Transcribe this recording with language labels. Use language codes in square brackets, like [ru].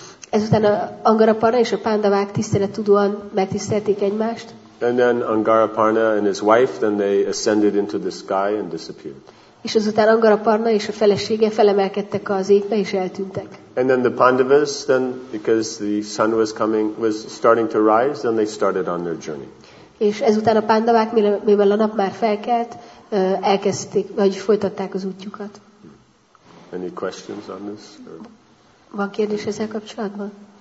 [hu] Ezután Angaraparna és a Pandavák tisztelettudóan megtisztelték egymást. [en] And then Angaraparna and his wife, then they ascended into the sky and disappeared. [hu] És azután Angaraparna és a felesége felemelkedtek az égbe és eltűntek. [en] And then the Pandavas, then because the sun was starting to rise, then they started on their journey. [hu] És ezután a Pandavák, mivel a nap már felkelt, elkezdték, vagy folytatták az útjukat. [en] Any questions on this? [hu] Van kérdés ezzel kapcsolatban?